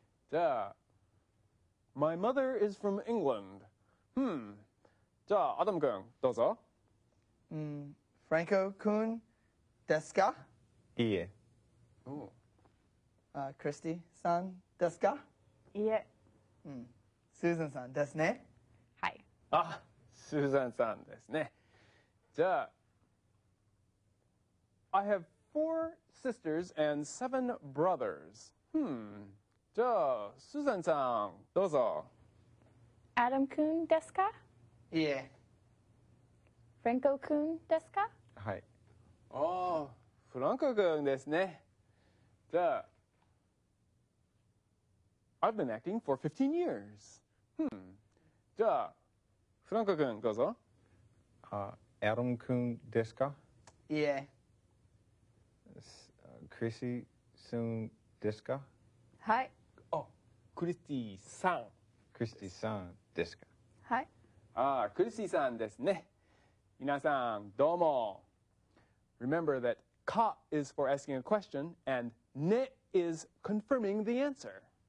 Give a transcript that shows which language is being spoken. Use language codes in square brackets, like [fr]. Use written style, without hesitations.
[en] じゃあ My mother is from England。 [ja] じゃあアダム君どうぞ。フランコ君ですか？いえ。クリスティさんですか？いえ。スーザンさんですね。はい。あ、スーザンさんですね。 [en] じゃあ、I have four sisters and seven brothers. [ja] じゃあ、スーザンさん、どうぞ。アダム君ですか？いえ。フランコ君ですか？はい。あ、フランコ君ですね。 [en] じゃあ、I've been acting for 15 years. [ja] じゃあ、フランコ君、どうぞ。アダム君ですか？いえ。クリスティさんですか？はい。あ、クリスティさん。クリスティさんですか？はい。あ、クリスティさんですね。皆さん、どうも。 [en] Remember that か is for asking a question and ne is confirming the answer.